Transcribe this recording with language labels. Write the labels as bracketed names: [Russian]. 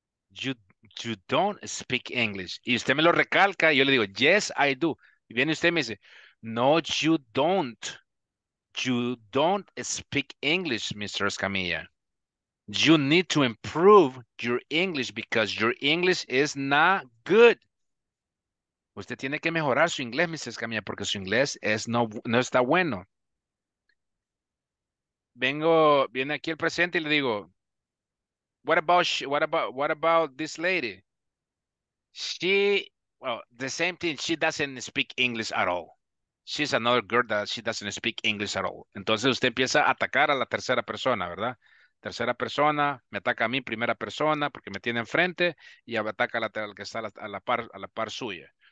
[English] You don't speak English. [Spanish] Y usted me lo recalca, y yo le digo, [English] yes, I do. [Spanish] Y viene usted y me dice, no, [English] you don't. You don't speak English, Mr. Escamilla. You need to improve your English because your English is not good. [Spanish] Usted tiene que mejorar su inglés, Mr. Escamilla, porque su inglés es no está bueno. Viene aquí el presente y le digo, [English] what about this lady? The same thing, she doesn't speak English at all. She's another girl that she doesn't speak English at all. [Spanish] Entonces usted empieza a atacar a la tercera persona, ¿verdad? Tercera persona, me ataca a mí, primera persona, porque me tiene enfrente, y ataca a la que está a la par suya.